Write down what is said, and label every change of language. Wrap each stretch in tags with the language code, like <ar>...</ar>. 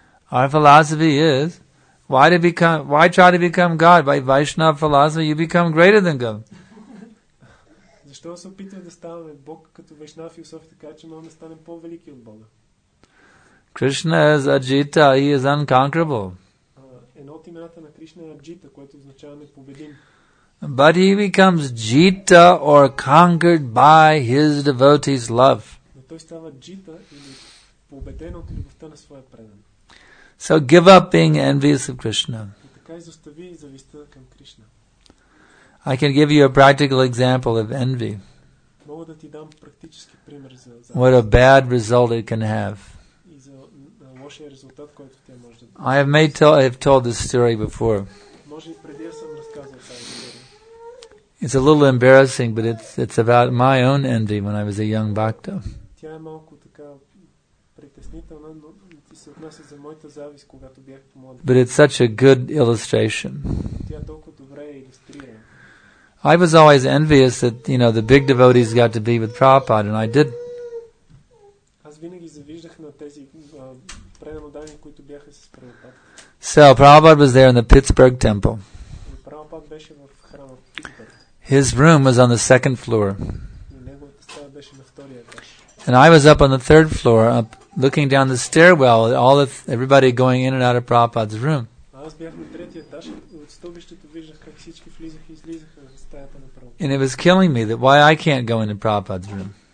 <en>Our philosophy is, why try to become God? By Vaishnava philosophy, you become greater than God. Krishna is Ajita, he is unconquerable.</en> <bg>едно от имената на Кришна е Джита, което означава непобедим.</bg> <en>But he becomes Jita or conquered by his devotee's love.</en> <bg>Но той става Джита или победен от любовта на своя предан.</bg> <en>So give up being envious of Krishna.</en> <bg>И така изостави завистта към Кришна.</bg> <en>I can give you a practical example of envy.</en> <bg>Мога да ти дам практически пример за завист.</bg> <en>What a bad result it can have.</en> <bg>И за лошия резултат, който тя може да бъде.</bg> <en>I have told this story before.</en> <bg>Може и преди съм разказал тази история.</bg> <en>It's a little embarrassing, but it's about my own envy when I was a young bhakta.</en> <bg>Тя е малко така притеснителна, но ти се отнася за моята завист, когато бях млад.</bg> <en>But it's such a good illustration.</en> <bg>Тя толкова добре илюстрира.</bg> <en>I was always envious that, you know, the big devotees got to be with Prabhupada, and I did.</en> <bg>Аз винаги завиждах на тези преданодани, които бяха с Прабхупада.</bg> <en>So Prabhupada was there in the Pittsburgh temple.</en> <bg>Prabhupada беше в храма в Питтсбърг.</bg> <en>His room was on the second floor.</en> <bg>Неговата стая беше на втория етаж.</bg> <en>And I was up on the third floor, up looking down the stairwell, everybody going in and out of Prabhupada's room.</en> <bg>Аз бях на третия етаж, от стълбището виждах как всички влизаха и излизаха.</bg> <en>And it was killing me that why I can't go into Prabhupada's room.</en>